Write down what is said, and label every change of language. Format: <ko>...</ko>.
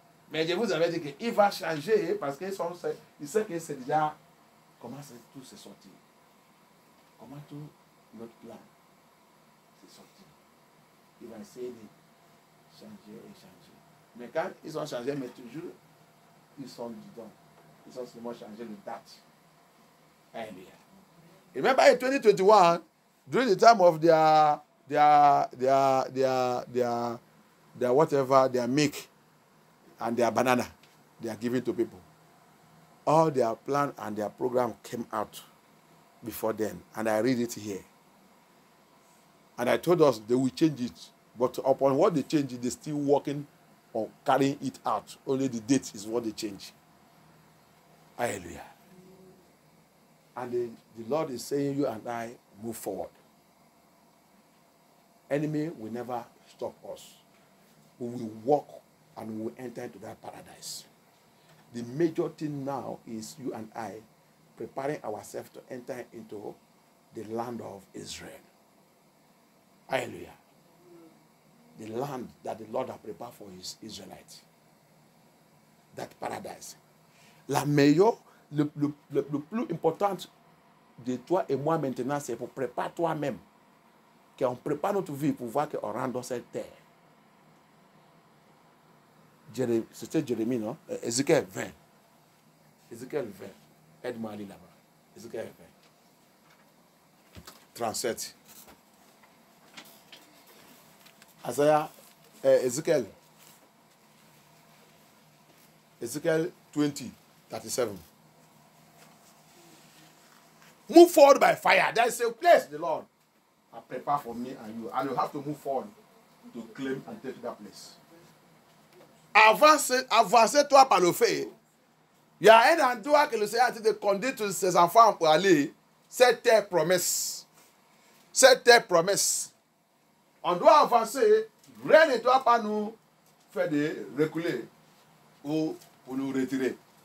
<fr>Mais je vous avais dit qu'il va changer parce qu'ils sont, ils savent que c'est déjà comment c'est, tout s'est sorti. Comment tout notre plan s'est sorti. Il va essayer de changer et changer. Mais quand ils ont changé, mais toujours, ils sont dedans. Ils ont seulement changé de date. Alléluia. Et même en 2021,</fr> <en>during the time of their whatever, their milk and their banana, they are giving to people. All their plan and their program came out before then. And I read it here. And I told us they will change it. But upon what they change, they're still working on carrying it out. Only the date is what they change. Hallelujah. And the Lord is saying, you and I move forward. Enemy will never stop us. We will walk and we will enter into that paradise. The major thing now is you and I preparing ourselves to enter into the land of Israel. Hallelujah. The land that the Lord has prepared for his Israelites. That paradise.</en> <fr>La meilleure, le plus important de toi et moi maintenant, c'est pour préparer toi-même. Qu'on prépare notre vie pour voir qu'on rentre dans cette terre. C'était Jérémie, non? Ézéchiel 20. Ézéchiel 20. Aide-moi à aller là-bas. Ézéchiel 20. 37. Azaya, Ézéchiel.</fr> <en>Ezekiel 20, 37. Move forward by fire. There is a place the Lord has prepared for me and you. And you have to move forward to claim and take that place.</en> <fr>Avancez-toi par le feu. Il y a un endroit que le Seigneur a dit de conduire tous ses enfants pour aller. Cette terre promesse. Cette terre promesse. On doit avancer. Rien ne doit pas nous faire de reculer ou pour nous retirer.</fr>